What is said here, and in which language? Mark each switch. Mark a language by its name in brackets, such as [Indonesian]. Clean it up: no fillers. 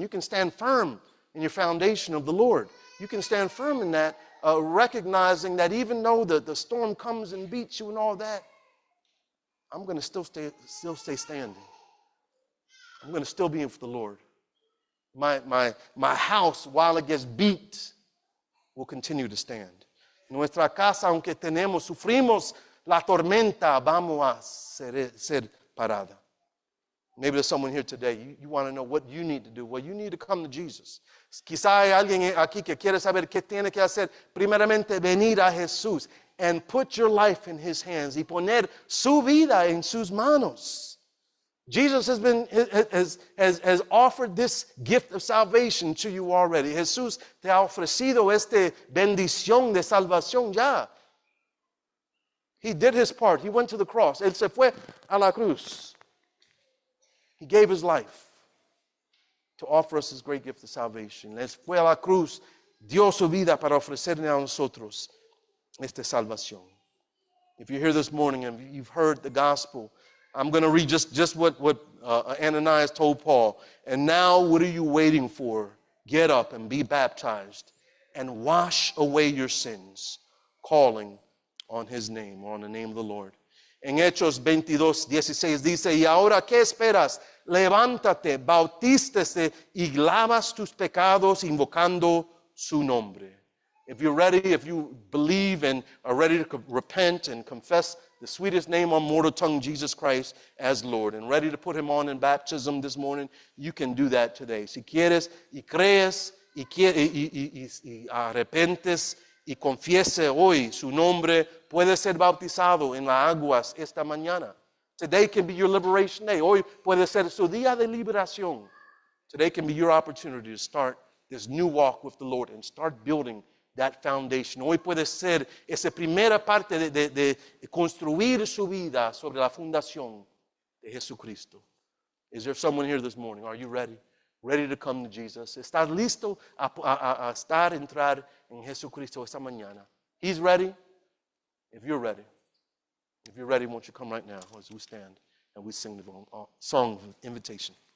[English] You can stand firm in your foundation of the Lord. You can stand firm in that, recognizing that even though the storm comes and beats you and all that, I'm going to still stay standing. I'm going to still be with the Lord. My house, while it gets beat, will continue to stand. [Spanish] Nuestra casa, aunque tenemos, sufrimos la tormenta, vamos a ser parada. [English] Maybe there's someone here today. You want to know what you need to do. Well, you need to come to Jesus. [Spanish] Quizá hay alguien aquí que quiere saber qué tiene que hacer. Primeramente, venir a Jesús [English] and put your life in his hands [Spanish] y poner su vida en sus manos. [English] Jesus has offered this gift of salvation to you already. [Spanish] Jesús te ha ofrecido esta bendición de salvación ya. [English] He did his part. He went to the cross. [Spanish] Él se fue a la cruz. [English] He gave his life to offer us his great gift of salvation. [Spanish] Él fue a la cruz, dio su vida para ofrecerle a nosotros esta salvación. [English] If you're here this morning and you've heard the gospel, I'm going to read just what Ananias told Paul. And now what are you waiting for? Get up and be baptized and wash away your sins, calling on his name, on the name of the Lord. [Spanish] En Hechos 22, 16 dice, y ahora qué esperas? Levántate, bautístese y lavas tus pecados invocando su nombre. [English] If you're ready, if you believe and are ready to repent and confess the sweetest name on mortal tongue, Jesus Christ, as Lord, and ready to put him on in baptism this morning, you can do that today. [Spanish] Si quieres y crees y arrepentes y confiese hoy su nombre, puede ser bautizado en las aguas esta mañana. [English] Today can be your liberation day. [Spanish] Hoy puede ser su día de liberación. [English] Today can be your opportunity to start this new walk with the Lord and start building that foundation. [Spanish] Hoy puede ser esa primera parte de construir su vida sobre la fundación de Jesucristo. [English] Is there someone here this morning? Are you ready? Ready to come to Jesus? [Spanish] ¿Estás listo a estar, entrar en Jesucristo esta mañana? [English] He's ready. If you're ready. If you're ready, won't you come right now as we stand and we sing the song of invitation.